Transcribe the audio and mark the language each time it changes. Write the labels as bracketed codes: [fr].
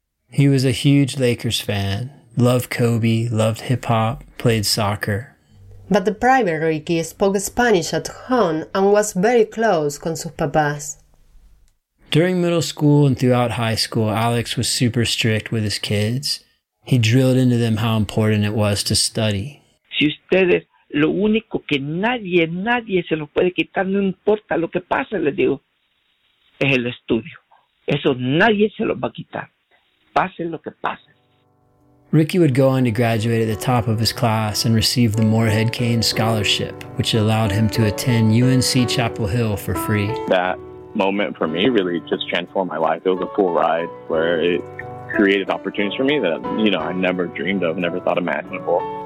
[en] He was a huge Lakers fan, loved Kobe, loved hip-hop, played soccer. But the private Ricky spoke Spanish at home and was very close [es] con sus papás. [en] During middle school and throughout high school, Alex was super strict with his kids. He drilled into them how important it was to study. [es] Si ustedes, lo único que nadie se lo puede quitar, no importa lo que pase, les digo. Es el estudio. Eso nadie se lo va a quitar. Pase lo que pase. [en] Ricky would go on to graduate at the top of his class and receive the Morehead Cane Scholarship, which allowed him to attend UNC Chapel Hill for free. That moment for me really just transformed my life. It was a full ride where it created opportunities for me that, you know, I never dreamed of, never thought imaginable.